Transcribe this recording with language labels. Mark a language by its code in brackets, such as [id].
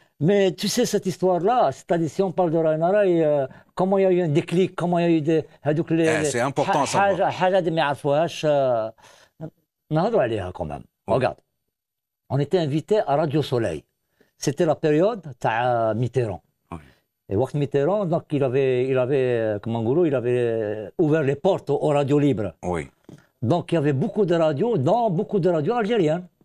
[fr] Mais tu sais cette histoire-là, c'est-à-dire si on parle de Raina Ray, comment il y a eu un déclic, comment il y a eu des... هذوك لي سي امبورطون صافا [ar] حاجه ما يعرفوهاش نهضروا عليها [fr] quand même. Regarde, on était invité à Radio Soleil. C'était la période تاع Mitterrand. Et وقت Mitterrand, donc il avait comme un gourou, il avait ouvert les portes aux radios libres. Oui. Donc il y avait beaucoup de radios, dont beaucoup de radios algériennes.